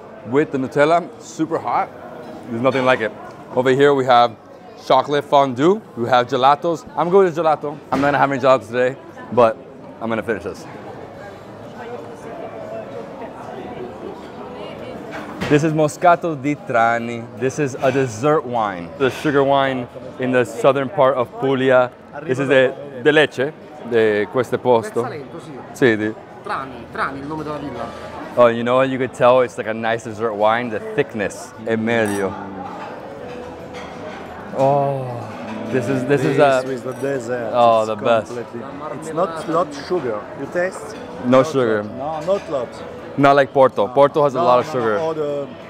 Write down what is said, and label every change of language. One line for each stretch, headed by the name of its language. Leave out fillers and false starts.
English: With the Nutella, super hot. There's nothing like it. Over here we have chocolate fondue. We have gelatos. I'm going with gelato. I'm not gonna have any gelato today. but I'm gonna finish this. This is Moscato di Trani. This is a dessert wine. The sugar wine in the southern part of Puglia. This is the Lecce,
Italian: de questo posto. Sì, di Trani, Trani, il nome della villa.
English: Oh, you know what? You could tell it's like a nice dessert wine. The thickness
Italian: è meglio.
English: Oh, this is the dessert. Oh, it's the best. It's not lot sugar. You taste? No sugar. No, not lot. Not like Porto. Porto has a lot of sugar.